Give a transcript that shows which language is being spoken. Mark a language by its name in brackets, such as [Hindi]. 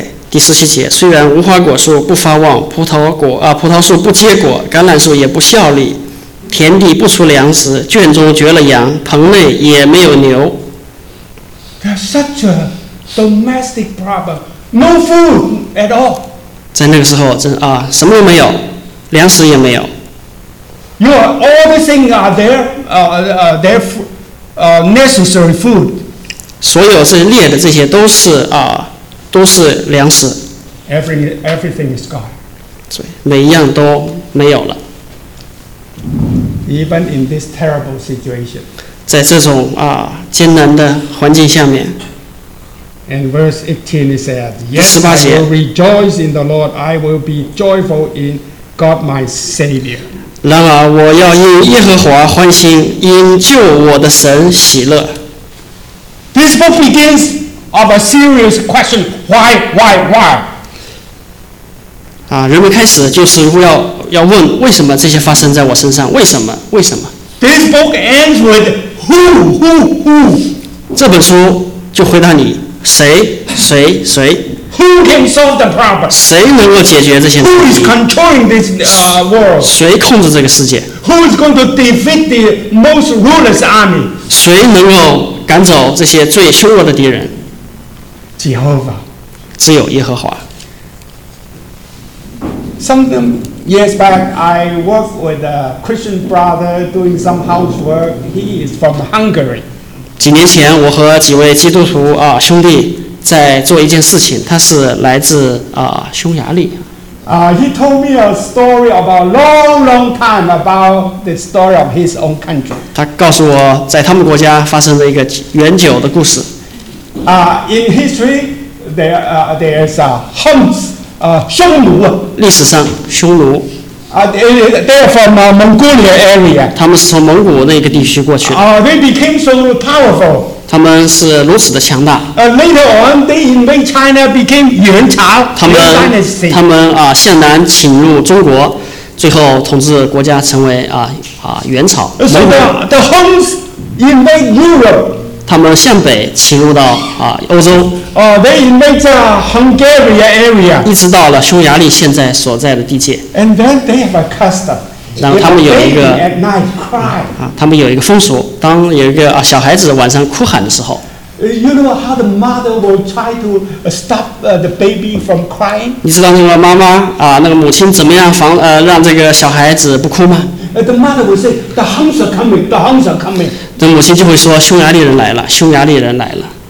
[Chinese] 第十七节，虽然无花果树不发旺，葡萄树不结果，橄榄树也不效力，田地不出粮食，圈中绝了羊，棚内也没有牛。 [English] There's such a domestic problem, no food at all. [Chinese] 在那个时候，什么都没有，粮食也没有。 [English] You are all the things are there necessary food. [Chinese] 所有是列的这些都是都是粮食。 [English] Everything is gone. [Chinese] 每一样都没有了。 [English] even in this terrible situation. [Chinese] 在这种啊艰难的环境下面。 [English] And verse 18 it says, Yes, I will rejoice in the Lord. I will be joyful in God my Savior. [Chinese] 然而我要因耶和华欢心，因救我的神喜乐。 [English] This book begins of a serious question: Why? [Chinese] 啊，人们开始就是要问为什么这些发生在我身上？为什么 [English] ？This book ends with who? [Chinese] 这本书就回答你谁 [English] ？Who can solve the problem？ [Chinese] 谁能够解决这些 [English] ？Who is controlling this world？ [Chinese] 谁控制这个世界 [English] ？Who is going to defeat the most ruthless army？ [Chinese] 谁能够赶走这些最凶恶的敌人？只有耶和华。 [English] Something years back, I worked with a Christian brother doing some housework. He is from Hungary. [Chinese] 几年前，我和几位基督徒啊兄弟在做一件事情。他是来自啊匈牙利。 [English] He told me a story about long time about the story of his own country. [Chinese] 他告诉我在他们国家发生的一个远久的故事。 [English] In history, there's a Huns. 匈奴， [Chinese] 历史上匈奴。 [English] They're from Mongolia area. [Chinese] 他们是从蒙古那个地区过去的。 [English] They became so powerful. [Chinese] 他们是如此的强大。 [English] Later on, they invade China, became 元朝。 [Chinese] 他们向南侵入中国，最后统治国家成为元朝。 [English] So the Huns invade Europe. [Chinese] 他们向北侵入到欧洲。 [English] They invade Hungary area. [Chinese] 一直到了匈牙利现在所在的地界。 [English] And then they have a custom. [Chinese] 然后他们有一个 [English] at night cry. [Chinese] 他们有一个风俗，当有一个小孩子晚上哭喊的时候。 [English] You know how the mother will try to stop the baby from crying? [Chinese] 你知道那个妈妈那个母亲怎么样让这个小孩子不哭吗？ [English] The mother will say, "The Huns are coming. The Huns are coming." [Chinese] 这母亲就会说，匈牙利人来了，匈牙利人来了。